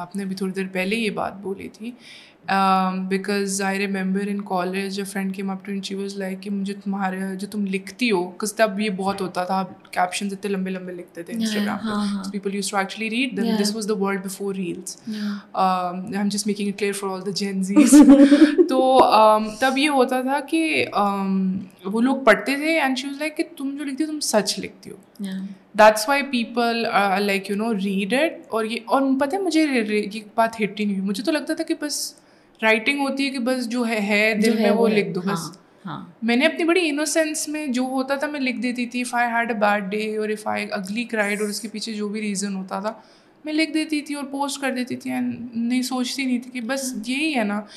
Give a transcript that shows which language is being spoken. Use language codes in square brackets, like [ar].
[hi] आपने भी थोड़ी देर पहले ये बात बोली थी, [en] because I remember in college a friend came up to me, she was like [hi] कि मुझे तुम्हारे जो तुम लिखती हो, बिकॉज तब ये बहुत होता था, कैप्शन इतने लंबे लंबे लिखते थे इंस्टाग्राम पर, [en] People use to actually read them. This was the world before reels, I am just making it clear for all the Gen Zs. [hi] तो तब ये होता था कि वो लोग पढ़ते थे [en] and she was like [hi] कि तुम जो लिखती हो तुम सच लिखती हो. [en] That's why people like you know read it. [hi] और ये, और पता है मुझे ये बात हिट ही नहीं हुई. मुझे तो लगता था कि बस राइटिंग होती है कि बस जो है दिल में वो लिख दो बस. मैंने अपनी बड़ी इनोसेंस में जो होता था मैं लिख देती थी, [en] if I had a bad day [hi] और [en] if I ugly cried [hi] और उसके पीछे जो भी रीज़न होता था मैं लिख देती थी और पोस्ट कर देती थी, एंड नहीं सोचती नहीं थी कि बस यही है ना.